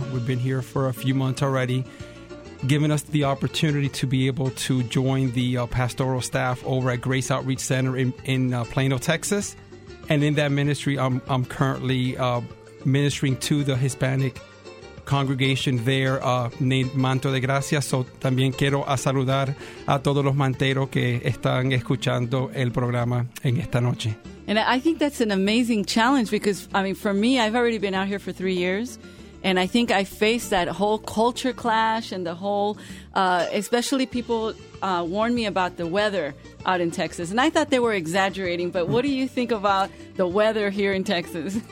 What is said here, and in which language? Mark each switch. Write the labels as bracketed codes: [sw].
[en] We've been here for a few months already, giving us the opportunity to be able to join the pastoral staff over at Grace Outreach Center in Plano, Texas. And in that ministry, I'm currently ministering to the Hispanic congregation there named Manto de Gracia. [es] So también quiero a saludar a todos los manteros que están escuchando el programa en esta noche. [en] And I think that's an amazing challenge because, I mean, for me, I've already been out here for 3 years. And I think I faced that whole culture clash and the whole, especially people warned me about the weather out in Texas. And I thought they were exaggerating, but what do you think about the weather here in Texas?